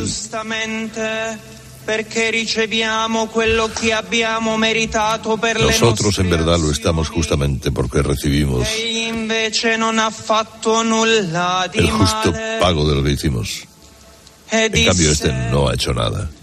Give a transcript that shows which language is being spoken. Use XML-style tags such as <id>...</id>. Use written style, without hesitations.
<it>Giustamente, perché riceviamo quello che abbiamo meritato per le nostre.</it> <es>Nosotros en verdad lo estamos justamente porque recibimos.</es> <it>Egli invece non ha fatto nulla di male.</it> <es>El justo pago de lo que hicimos. En cambio este no ha hecho nada.</es>